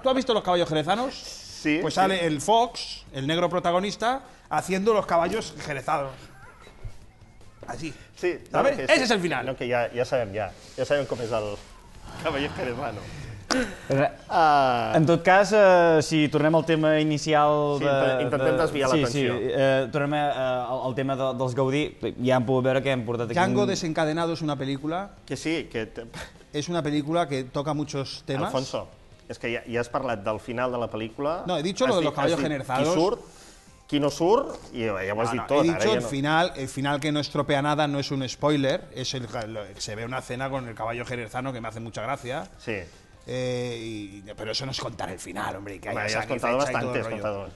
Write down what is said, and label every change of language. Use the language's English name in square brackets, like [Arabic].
[Spanish] ¿Tú has visto los caballos jerezanos? Sí. Pues sí. Sale el Fox, el negro protagonista, haciendo los caballos jerezados. Así. Sí. ¿Sabes? Sí. Ese es el final. No, que ya saben. Ya saben cómo es el caballo jerezano. [Catalan] En tot cas, si tornem al tema inicial... Intentem desviar l'atenció. Sí, tornem al tema dels Gaudí. Ja hem pogut veure que hem portat aquí... Django Desencadenado és una pel·lícula... Que sí, que... És una pel·lícula que toca [Spanish] muchos temas. [Catalan] Alfonso, és que ja has parlat del final de la pel·lícula... [Spanish] No, he dicho lo de los caballos generzados. [Catalan] Qui surt, qui no surt, i ja ho has dit tot. [Spanish] He dicho el final que no estropea nada, no es un spoiler. Se ve una escena con el caballo generzano que me hace mucha gracia. Sí. Pero eso no es contar el final, hombre. Que hay, bueno, ya has contado bastante. Has contado.